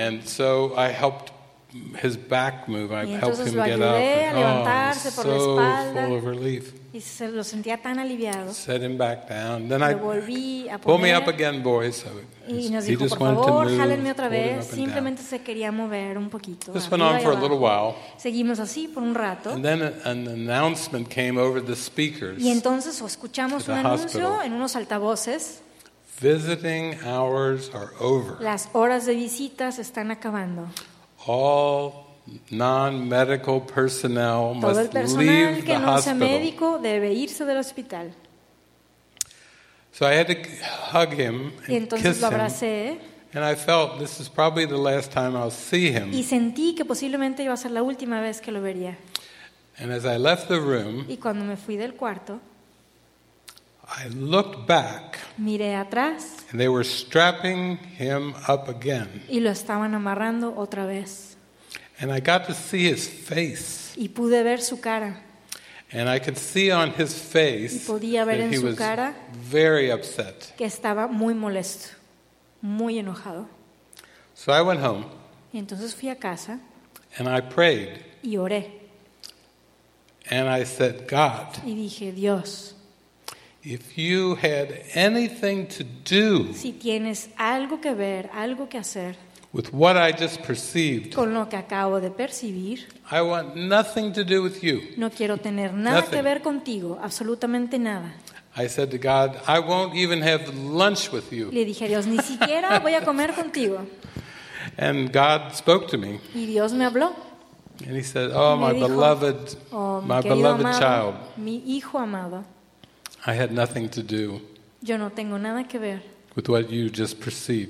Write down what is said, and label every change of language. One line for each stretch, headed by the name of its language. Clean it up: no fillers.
English: And so I helped his back move. I helped him get up.
Spanish: Y entonces lo ayudé a levantarse por la espalda.
English: Full of relief.
Spanish: Y se lo sentía tan aliviado.
English: Set him back down. Then
Spanish: lo volví a poner.
English: Pull me up again, boys. So
Spanish: y nos dijo, por favor, jálenme otra vez. Simplemente se quería mover un poquito.
English: This went on for a little while.
Spanish: Seguimos así por un rato.
English: And then an announcement came over the speakers.
Spanish: Y entonces escuchamos un anuncio en unos altavoces.
English: Visiting hours are over.
Spanish: Las horas de visitas están acabando.
English: All non-medical personnel must
Spanish: todo el personal
English: leave
Spanish: que
English: the
Spanish: no
English: hospital.
Spanish: Sea médico debe irse del hospital.
English: So I had to hug him
Spanish: y entonces
English: and kiss
Spanish: lo abracé,
English: him. And I felt this is probably the last time I'll see him.
Spanish: Y sentí que posiblemente iba a ser la última vez que lo vería.
English: And as I left the room,
Spanish: y cuando me fui del cuarto,
English: I looked back.
Spanish: Miré atrás.
English: And they were strapping him up again.
Spanish: Y lo estaban amarrando otra vez.
English: And I got to see his face.
Spanish: Y pude ver su cara.
English: And I could see on his face that he was very upset.
Spanish: Que estaba muy molesto, muy enojado.
English: So I went home.
Spanish: Y entonces fui a casa.
English: And I prayed.
Spanish: Y oré.
English: And I said, God.
Spanish: Y dije, Dios.
English: If you had anything to do.
Spanish: Si tienes algo que ver, algo que hacer.
English: With what I just perceived.
Spanish: Con lo que acabo de percibir.
English: I want nothing to do with you.
Spanish: No quiero tener nada que ver contigo, absolutamente nada.
English: I said to God, I won't even have lunch with you.
Spanish: Le dije a Dios, ni siquiera voy a comer contigo.
English: And God spoke to me.
Spanish: Y Dios me habló.
English: And he said, oh, my
Spanish: dijo,
English: beloved, oh, my beloved
Spanish: amado,
English: child.
Spanish: Mi hijo amado.
English: I had nothing to do.
Spanish: Yo no tengo nada que ver.
English: With what you just perceived.